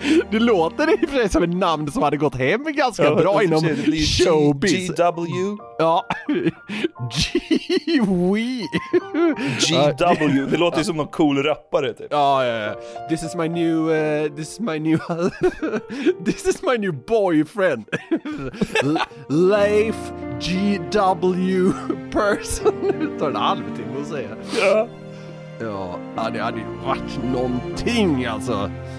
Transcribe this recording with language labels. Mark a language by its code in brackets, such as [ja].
[sv] Det låter i och för sig som ett namn som hade gått hem ganska bra inom showbiz. GW? Ja. G-wee. GW. Det låter som någon cool rappare typ. Ja, ja, ja. [en] This is my new this is my new boyfriend. [sv] Leif GW person. Det tar en halvtimme att säga. Ja. Ja, det hade ju varit någonting alltså.